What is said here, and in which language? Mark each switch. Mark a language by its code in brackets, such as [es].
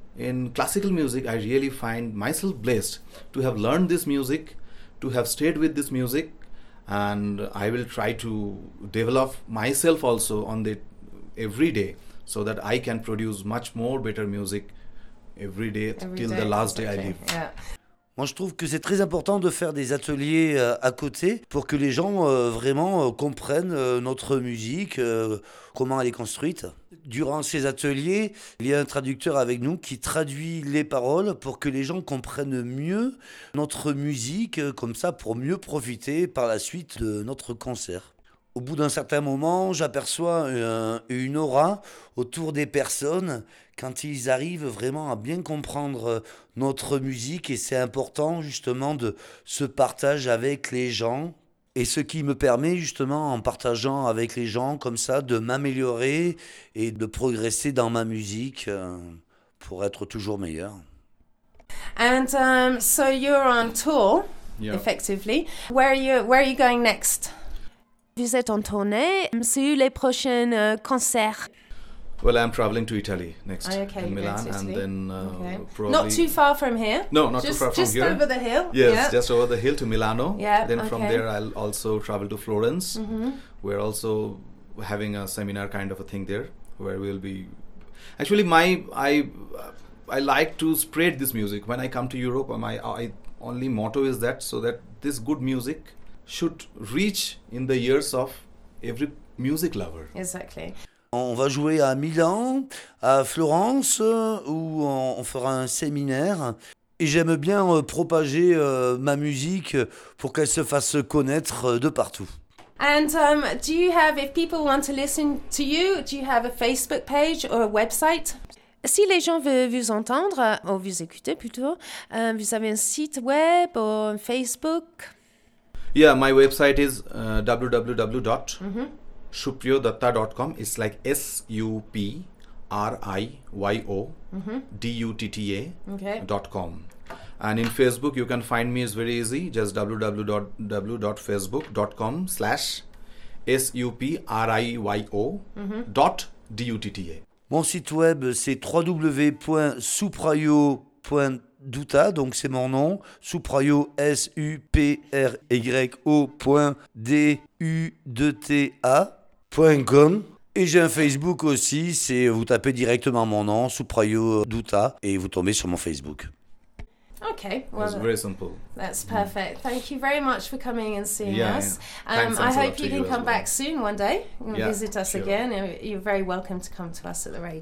[en] In classical music, I really find myself blessed to have learned this music, to have stayed with this music, and I will try to develop myself also on it every day so that I can produce much more better music every day till the last day I live. Yeah. [fr] Moi, je trouve que c'est très important de faire des ateliers à côté pour que les gens vraiment comprennent notre musique, comment elle est construite. Durant ces ateliers, il y a un traducteur avec nous qui traduit les paroles pour que les gens comprennent mieux notre musique, comme ça pour mieux profiter par la suite de notre concert. Au bout d'un certain moment, j'aperçois une aura autour des personnes quand ils arrivent vraiment à bien comprendre notre musique et c'est important justement de se partager avec les gens et ce qui me permet justement en partageant avec les gens comme ça de m'améliorer et de progresser dans ma musique pour être toujours meilleur. [en] And so you're on tour, effectively. Where are you going next? [fr] Vous êtes en tournée. C'est où les prochains concerts? [en] Well, I'm traveling to Italy next, okay, in Milan, and then probably... Not too far from here? No, not too far from just here. Just over the hill? Yes, yep. Just over the hill to Milano. Yeah, then okay. From there, I'll also travel to Florence. Mm-hmm. We're also having a seminar kind of a thing there, where we'll be... Actually, I like to spread this music. When I come to Europe, my only motto is that, so that this good music should reach in the ears of every music lover. Exactly. [fr] On va jouer à Milan, à Florence, où on fera un séminaire. Et j'aime bien propager ma musique pour qu'elle se fasse connaître de partout. [en] And do you have, if people want to listen to you, do you have a Facebook page or a website? [fr] Si les gens veulent vous entendre, ou vous écouter plutôt, vous avez un site web ou un Facebook? [en] Yeah, my website is www.shupriyodatta.com. It's like SupriyoDutta.com. And in Facebook, you can find me. It's very easy. Just www.facebook.com/SupriyoDutta. [fr] Mon site web, c'est www.supriyo.dutta, donc c'est mon nom, Supriyo, SupriyoDutta.com. Et j'ai un Facebook aussi, c'est vous tapez directement mon nom, Supriyo Dutta, et vous tombez sur mon Facebook. [en] Okay, well, it's very simple. That's perfect. Thank you very much for coming and seeing us. Yeah. I hope you can come back soon one day and visit us again. You're very welcome to come to us at the radio.